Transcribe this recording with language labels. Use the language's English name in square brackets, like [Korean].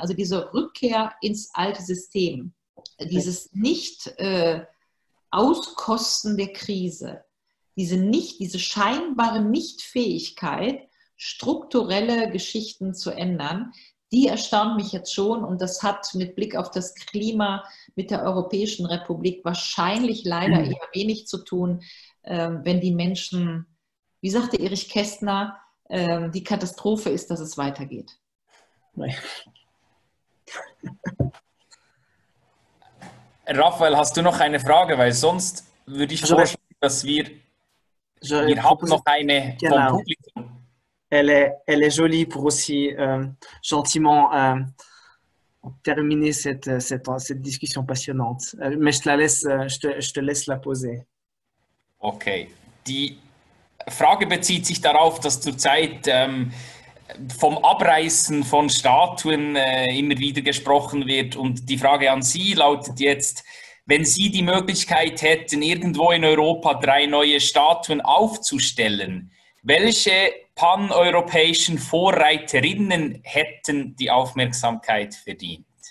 [German] Also diese Rückkehr ins alte System, dieses Nicht-Auskosten der Krise, diese scheinbare Nichtfähigkeit, strukturelle Geschichten zu ändern, die erstaunt mich jetzt schon und das hat mit Blick auf das Klima mit der Europäischen Republik wahrscheinlich leider eher wenig zu tun, wenn die Menschen, wie sagte Erich Kästner, die Katastrophe ist, dass es weitergeht. Nein. Raphael, hast du noch eine Frage? Weil sonst würde ich vorschlagen, dass wir haben noch eine genau. Vom Publikum. [French] Elle est jolie pour aussi gentiment terminer cette discussion passionnante. Mais je te laisse la poser. Okay. [German] Die Frage bezieht sich darauf, dass zurzeit vom Abreißen von Statuen immer wieder gesprochen wird. Und die Frage an Sie lautet jetzt, wenn Sie die Möglichkeit hätten, irgendwo in Europa 3 neue Statuen aufzustellen, welche paneuropäischen Vorreiterinnen hätten die Aufmerksamkeit verdient?